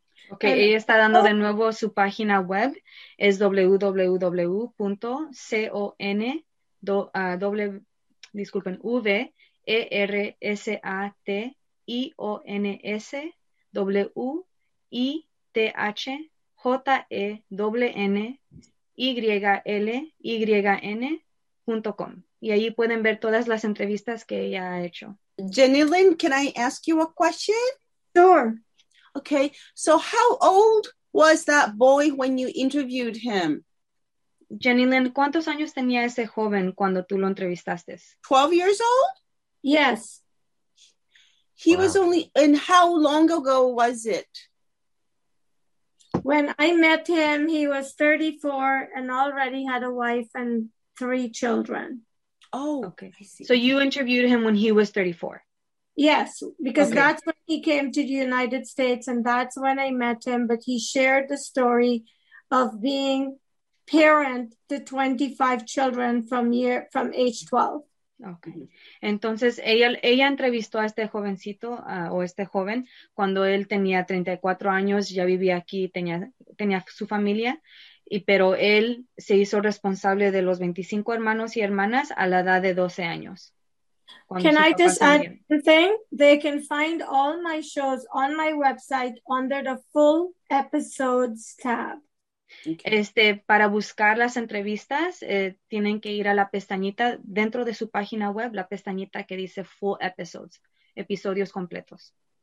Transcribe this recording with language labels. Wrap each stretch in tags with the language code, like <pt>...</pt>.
<es>Okay, ella está dando de nuevo su página web, es www.conversationsywnyln.com. Y ahí pueden ver todas las entrevistas que ella ha hecho.</es> <en>Jenny Lynn, can I ask you a question? Sure. Okay, so how old was that boy when you interviewed him?</en> <es>Jenny Lynn, ¿cuántos años tenía ese joven cuando tú lo entrevistaste?</es> <en>12 years old? Yes. He was only, and how long ago was it? When I met him, he was 34 and already had a wife and 3 children. Oh, okay. So you interviewed him when he was 34? Yes, because that's when he came to the United States and that's when I met him. But he shared the story of being parent to 25 children from age 12. Okay.</en> <es>Entonces ella entrevistó a este jovencito joven cuando él tenía 34 años, ya vivía aquí, tenía su familia, pero él se hizo responsable de los 25 hermanos y hermanas a la edad de 12 años.</es> <en>Can I just add one thing? They can find all my shows on my website under the full episodes tab. Okay.</en> <es>Para buscar las entrevistas, tienen que ir a la pestañita dentro de su página web, la pestañita que dice Full Episodes, episodios completos.</es>